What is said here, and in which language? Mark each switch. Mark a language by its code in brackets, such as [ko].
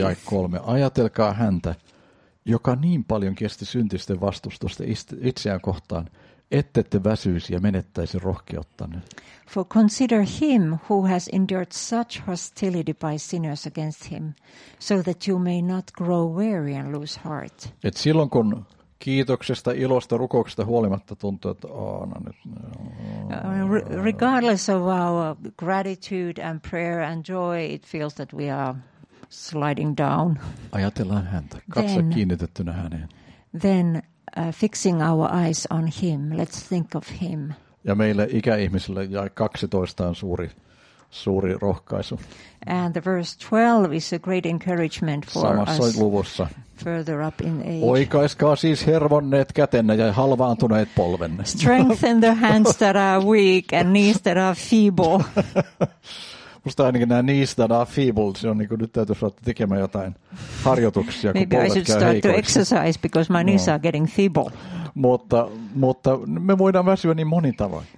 [fi] Ja 3, ajatelkaa häntä, joka niin paljon kesti syntisten vastustusta itseään kohtaan, ettette väsyisi ja menettäisi rohkeuttanne. [en] For consider him who has endured such hostility by sinners against him, so that you may not grow weary and lose heart. [fi] Et silloin kun kiitoksesta, ilosta, rukouksesta huolimatta tuntuu, että no nyt. [en] Regardless of our gratitude and prayer and joy, it feels that we are sliding down. [fi] Ajatellaan häntä, katso kiinnitettynä häneen. [en] Then fixing our eyes on him. Let's think of him. [fi] Ja meille ikäihmisille ja 12 on suuri rohkaisu. [en] And the verse 12 is a great encouragement for [fi] samassa [en] us. [fi] Luvussa. [en] Further up in age. [fi] Oikaiskaa siis hervonneet kätenne ja halvaantuneet polvenne. [en] Strengthen the hands that are weak and knees that are feeble. [fi] Musta ainakin nämä [en] knees that are feeble, [fi] se on niin kuin nyt täytyy saada tekemään jotain harjoituksia, kun [en] maybe [fi] polvet [en] I should start [fi] heikoiksi [en] to exercise because my knees are getting feeble. [fi] Mutta me voidaan väsyä niin monin tavoin.